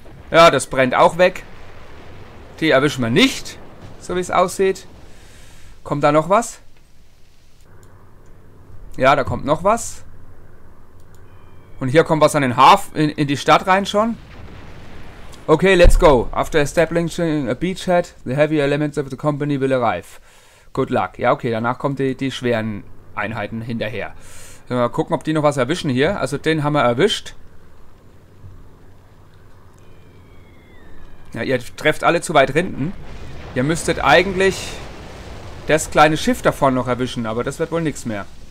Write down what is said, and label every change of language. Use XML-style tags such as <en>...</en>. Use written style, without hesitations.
<de>Ja, das brennt auch weg. Die erwischt man nicht, so wie es aussieht. Kommt da noch was? Ja, da kommt noch was. Und hier kommt was an den Hafen, in die Stadt rein schon.</de> <en>Okay, let's go. After establishing a beachhead, the heavy elements of the company will arrive. Good luck.</en> <de>Ja, okay, danach kommen die schweren Einheiten hinterher. Mal gucken, ob die noch was erwischen hier. Also den haben wir erwischt. Ja, ihr trefft alle zu weit hinten. Ihr müsstet eigentlich das kleine Schiff davon noch erwischen, aber das wird wohl nichts mehr.</de>